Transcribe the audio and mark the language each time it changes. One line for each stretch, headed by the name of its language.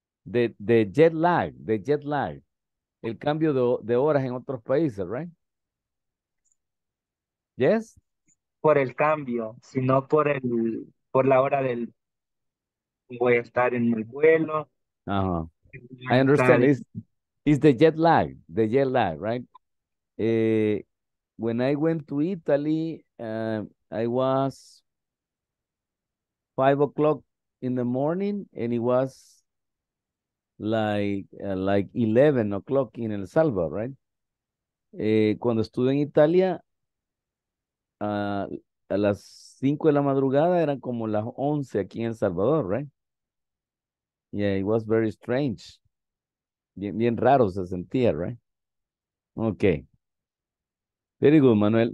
English: The jet lag,
Spanish: el cambio de horas en otros países,
English: right? Yes?
Spanish: Por el cambio, sino por la hora del, voy a estar en el vuelo.
English: Uh-huh. I understand, it's the jet lag, right? When I went to Italy, I was 5 o'clock in the morning, and it was like 11 o'clock in El Salvador, right?
Spanish: Cuando estuve en Italia, a las 5 de la madrugada eran como las 11 aquí en El Salvador, right?
English: Yeah, it was very strange.
Spanish: Bien raro se sentía,
English: right? Okay. Very good, Manuel.